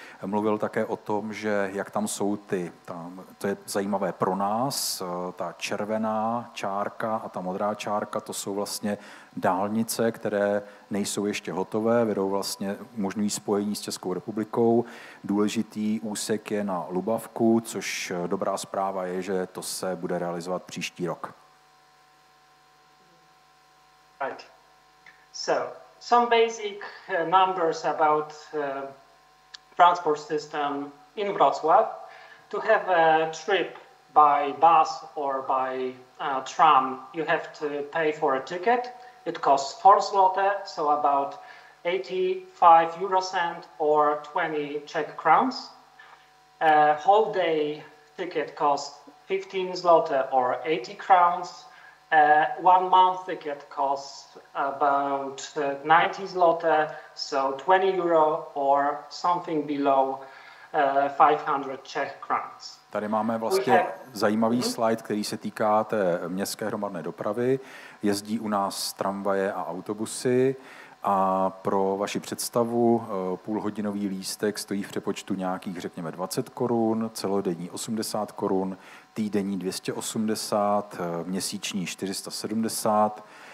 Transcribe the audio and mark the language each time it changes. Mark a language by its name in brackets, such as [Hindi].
[Czech] Mluvil také o tom, že jak tam jsou ty, tam, to je zajímavé pro nás, ta červená čárka a ta modrá čárka, to jsou vlastně dálnice, které nejsou ještě hotové, vedou vlastně, umožňují spojení s Českou republikou. Důležitý úsek je na Lubavku, což dobrá zpráva je, že to se bude realizovat příští rok. [English] Right. So, some basic numbers about transport system in Wrocław. To have a trip by bus or by tram, you have to pay for a ticket. It costs 4 zloty, so about 85 euro cent or 20 Czech crowns. A whole day ticket costs 15 zloty or 80 crowns. A 1 month ticket costs about 90 zloty, so 20 euro or something below 500 Czech crowns. [Czech] Tady máme vlastně zajímavý slide, který se týká té městské hromadné dopravy. Jezdí u nás tramvaje a autobusy a pro vaši představu půlhodinový lístek stojí v přepočtu nějakých, řekněme, 20 korun, celodenní 80 korun, týdenní 280, měsíční 470